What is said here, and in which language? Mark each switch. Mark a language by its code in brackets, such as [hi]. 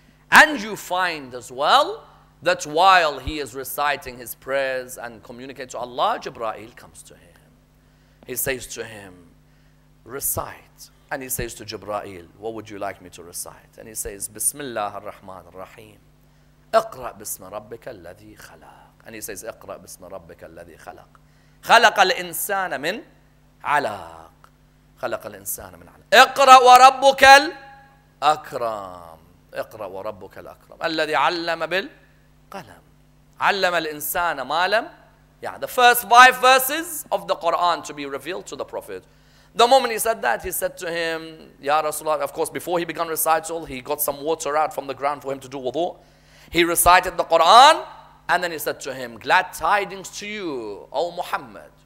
[en] And you find as well that while he is reciting his prayers and communicating to Allah, Jibreel comes to him. He says to him, recite. And he says to Jibreel, what would you like me to recite? And he says, Bismillah ar-Rahman ar-Rahim. [ar] اقرا بسم ربك الذي خلق [en] and he says [ar] اقرا بسم ربك الذي خلق خلق الانسان من علق خلق الانسان من علق اقرا وربك الاكرم اقرا وربك الاكرم الذي علم بالقلم علم الانسان ما لم يعلم. [en] The first five verses of the Quran to be revealed to the Prophet. The moment he said that, he said to him, ya Rasulullah, of course before he began recital, he got some water out from the ground for him to do wudu. He recited the Quran and then he said to him, glad tidings to you, O Muhammad.